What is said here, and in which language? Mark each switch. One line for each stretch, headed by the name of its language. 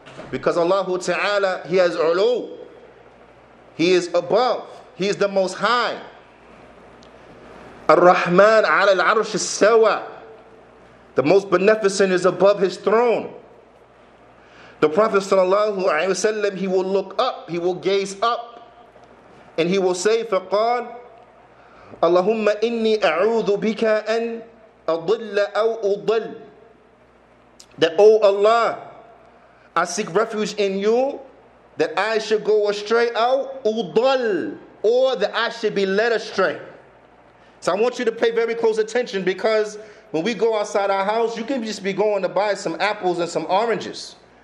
English: Because Allah ta'ala, he has ulu. He is above. He is the most high. Ar-Rahman ala al-arsh as-sawa. The most beneficent is above his throne. The Prophet sallallahu alayhi wa sallam, he will look up. He will gaze up. And he will say,
Arabic: فقال, اللهم إني أعوذ بك أن أضل أو أضل.
English: That, O Allah, I seek refuge in you, that I should go astray,
Arabic: أو أضل,
English: or that I should be led astray. So I want you to pay very close attention, because when we go outside our house, you can just be going to buy some apples and some oranges.